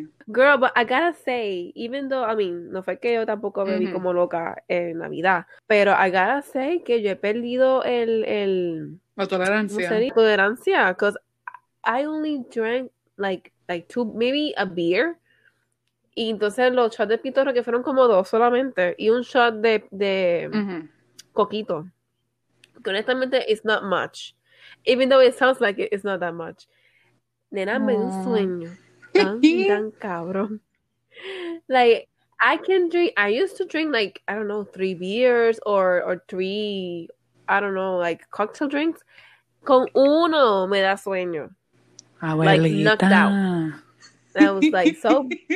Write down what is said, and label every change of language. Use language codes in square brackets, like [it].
[en] Girl, but I gotta say, even though, I mean, [es] no fue que yo tampoco bebí como loca en Navidad, pero [en] I gotta say [es] que yo he perdido La ¿cómo sería? tolerancia. [en] Tolerancia, because I only drank like two, maybe a beer. [es] Y entonces los shots de pitorro que fueron como dos solamente, y un shot de coquito. Porque honestamente, [en] it's not much. Even though it sounds like it's not that much. [es] Nena, me dio un sueño tan, tan cabrón. [en] Like, I used to drink like, I don't know, three beers or three, I don't know, like cocktail drinks. [es] Con uno me da sueño. [en] Like, knocked out. [es] Abuelita. [en] And I was like, so.